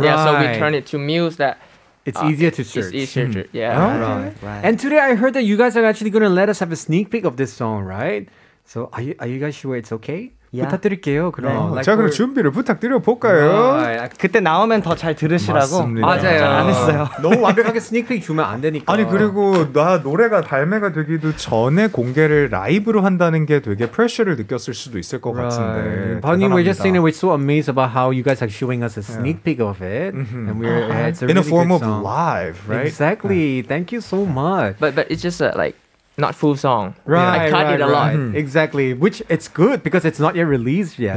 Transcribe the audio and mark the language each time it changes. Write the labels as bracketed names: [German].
[English] yeah right. so we turn it to muse that it's easier to search it's easier hmm. to, yeah right. Right. right and today I heard that you guys are actually gonna let us have a sneak peek of this song right so are you guys sure it's okay Yeah. [Korean] 부탁드릴게요. 그럼 네. like 자 그럼 준비를 부탁드려 볼까요? 그때 나오면 더 잘 들으시라고 맞습니다. 맞아요. 안 했어요. 너무 완벽하게 스니크를 주면 안 되니까. 아니 그리고 나 노래가 발매가 되기도 전에 공개를 라이브로 한다는 게 되게 프레셔를 느꼈을 수도 있을 것 [English] right. But we were just saying that we're so amazed about how you guys are showing us a sneak peek yeah. of it, mm-hmm. and we're uh-huh. in really a form of song. Live, right? Exactly. Yeah. Thank you so much. But it's just like. Not full song. Right, yeah. I cut right, it a right. lot. Mm-hmm. Exactly. Which it's good because it's not yet released yet.